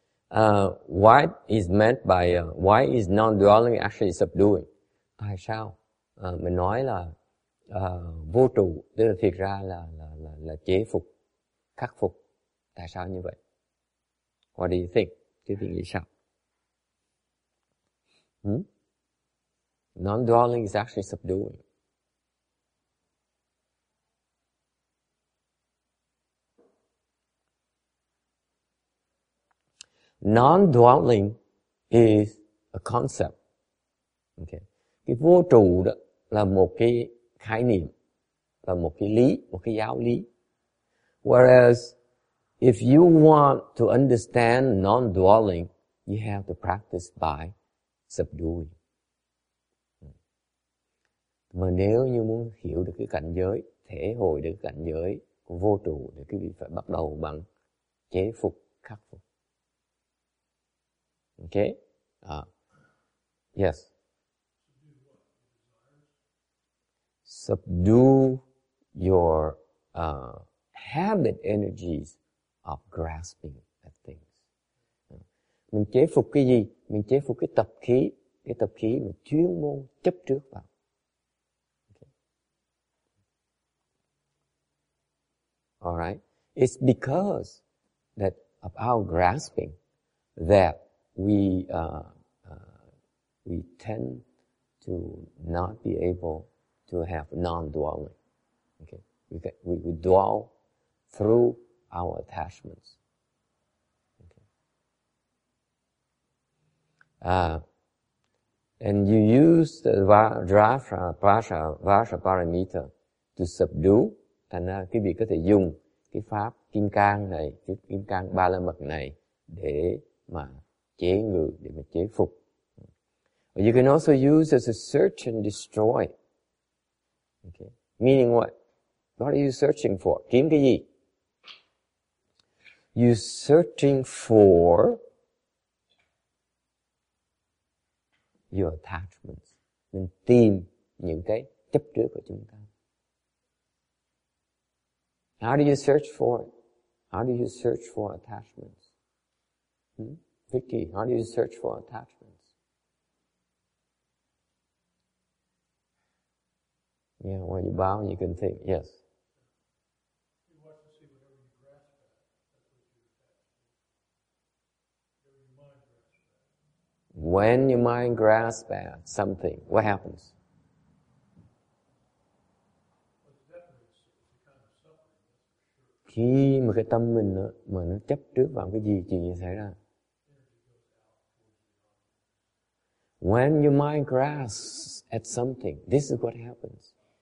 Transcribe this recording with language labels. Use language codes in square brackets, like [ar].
[en] What is meant by why is non-dwelling actually subduing? [vi] Tại sao mình nói là vô trụ, tức là thiệt ra là chế phục, khắc phục. Tại sao như vậy? [en] What do you think? [vi] Quý vị nghĩ sao? [en] Non-dwelling is actually subduing. Non-dwelling is a concept. Okay. [vi] Cái vô trụ đó là một cái khái niệm, là một cái lý, một cái giáo lý. [en] Whereas, if you want to understand non-dwelling, you have to practice by subduing. [vi] Mà nếu như muốn hiểu được cái cảnh giới, thể hội được cái cảnh giới của vô trụ, thì quý vị phải bắt đầu bằng chế phục, khắc phục. [en] Okay? Yes. Subdue your habit energies of grasping at things. [vi] Mình chế phục cái gì? Mình chế phục cái tập khí, cái tập khí mà chuyên môn chấp trước vào. [en] Okay. All right. It's because that of our grasping that we tend to not be able to have non-dwelling. Okay. We dwell through our attachments. Okay. And you use the Varja Paramita to subdue. [vi] Thành ra quý vị có thể dùng cái pháp kim cang này, cái kim cang ba la mật này để mà chế ngự, để mà chế phục. [en] But you can also use as a search and destroy. Okay. Meaning what? What are you searching for? [vi] Kiếm cái gì? [en] You're searching for your attachments. [vi] Mình tìm những cái chấp trước của chúng ta. [en] How do you search for it? How do you search for attachments? Vicky, how do you search for attachments? Yeah, when you bow, you can think, yes. When your mind grasps at something, what happens? [vi] Khi mà cái tâm mình đó, mà nó chấp trước vào cái gì, chuyện gì xảy ra? [en] When your mind grasps at something, this is what happens.